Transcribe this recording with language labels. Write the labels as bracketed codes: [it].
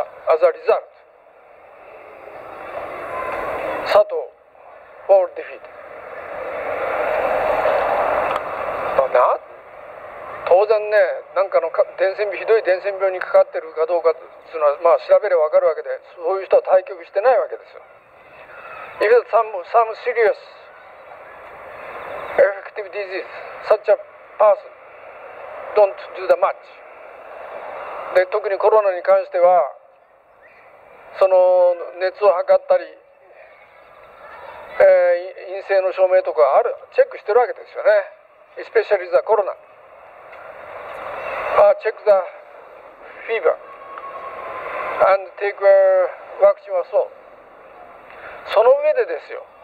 [en] As a result, 佐藤 full defeat。 [ja] な、当然ね、なんかの伝染病、ひどい伝染病にかかってるかどうかっていうのは、まあ調べればわかるわけで、そういう人は対局してないわけですよ。 [en] If some seriousDisease, such a person don't do the match. [ja] で、特にコロナに関しては、その熱を測ったり、陰性の証明とかある、チェックしてるわけですよね。 [en] Especially the corona. Check the fever and take a vaccine or so. [ja] その上でですよ。